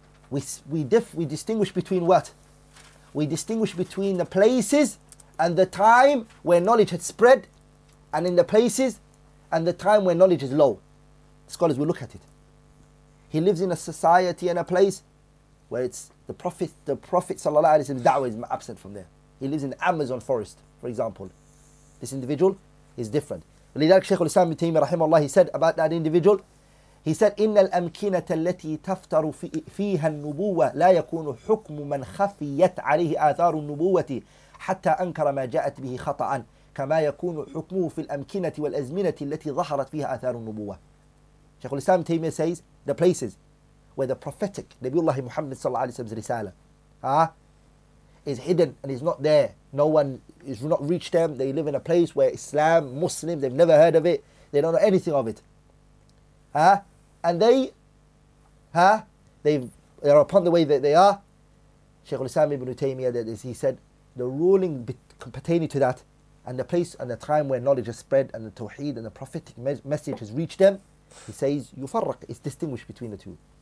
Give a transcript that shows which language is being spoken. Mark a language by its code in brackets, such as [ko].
[en] We distinguish between what? We distinguish between the places and the time where knowledge had spread, and in the places and the time where knowledge is low. Scholars will look at it. He lives in a society and a place where it's the Prophet sallallahu alaihi wasallam, da'wah is absent from there. He lives in the Amazon forest, for example. This individual is different. [ar] لذلك شيخ الإسلام ابن تيمية رحمه الله [en] he said about that individual he said [ar] إن الأمكنة التي تفتر فيها النبوة لا يكون حكم من خفيت عليه آثار النبوة حتى أنكر ما جاءت به خطأ كما يكون حكمه في الأمكنة والأزمنة التي ظهرت فيها آثار النبوة شيخ الإسلام ابن تيمية [en] says the places where the prophetic [ar] نبي الله محمد صلى الله عليه وسلم's رسالة [en] is hidden and is not there. No one is not reached them. They live in a place where Islam, Muslims, they've never heard of it. They don't know anything of it. Huh? And they, huh? They're upon the way that they are. Shaykh al-Islam ibn Taymiyyah, that is, he said, the ruling pertaining to that and the place and the time where knowledge has spread and the Tawheed and the prophetic message has reached them, he says, yufarraq, it's distinguished between the two.